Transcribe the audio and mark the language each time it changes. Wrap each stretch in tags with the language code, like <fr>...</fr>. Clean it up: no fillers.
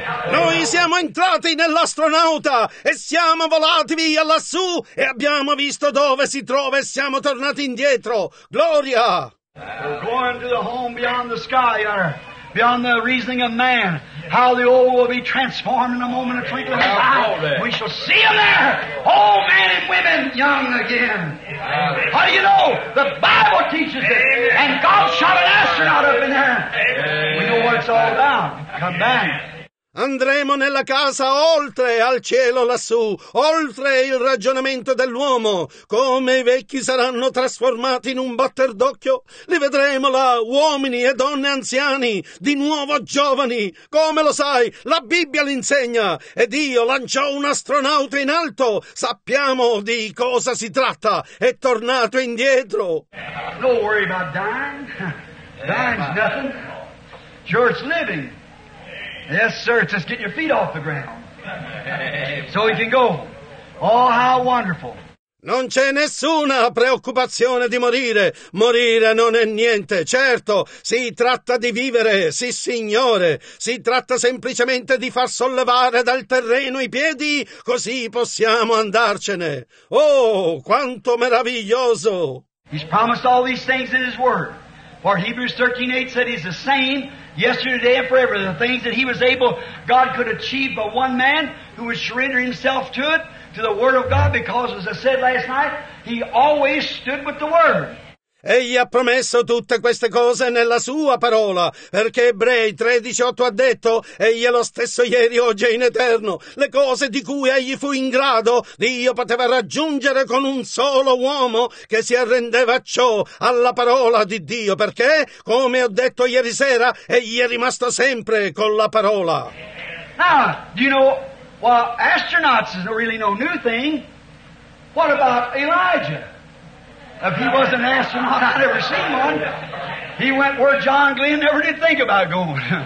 <it>Noi siamo entrati nell'astronauta e siamo volati via lassù e abbiamo visto dove si trova e siamo tornati indietro. Gloria!</it> <en>We're going to the home beyond the sky, beyond the reasoning of man. How the old will be transformed in a moment of twinkling of an eye. We shall see them there, old men and women, young again. How do you know? The Bible teaches it. And God shot an astronaut up in there. We know what it's all about. Come back.</en> <it>Andremo nella casa oltre al cielo lassù, oltre il ragionamento dell'uomo. Come i vecchi saranno trasformati in un batter d'occhio, li vedremo là, uomini e donne anziani, di nuovo giovani. Come lo sai? La Bibbia l'insegna. E Dio lanciò un astronauta in alto. Sappiamo di cosa si tratta. È tornato indietro.</it> <en>Don't worry about dying. Dying's nothing. Sure, it's living. Yes, sir, it's just getting your feet off the ground. So we can go. Oh, how wonderful.</en> <it>Non c'è nessuna preoccupazione di morire. Morire non è niente. Certo, si tratta di vivere, sì signore. Si tratta semplicemente di far sollevare dal terreno i piedi, così possiamo andarcene. Oh, quanto meraviglioso!</it> <en>He's promised all these things in his word. For Hebrews 13:8 said he's the same yesterday, today, and forever. The things that he was able, God could achieve by one man who would surrender himself to it, to the Word of God, because as I said last night, he always stood with the Word.</en> <it>Egli ha promesso tutte queste cose nella sua parola, perché Ebrei 13:8 ha detto, egli è lo stesso ieri, oggi e in eterno. Le cose di cui egli fu in grado, Dio poteva raggiungere con un solo uomo che si arrendeva a ciò, alla parola di Dio, perché, come ho detto ieri sera, egli è rimasto sempre con la parola.</it> <en>Ah, you know, well, astronauts is really no new thing. What about Elijah? If he was an astronaut, I'd never seen one. He went where John Glenn never did think about going.</en>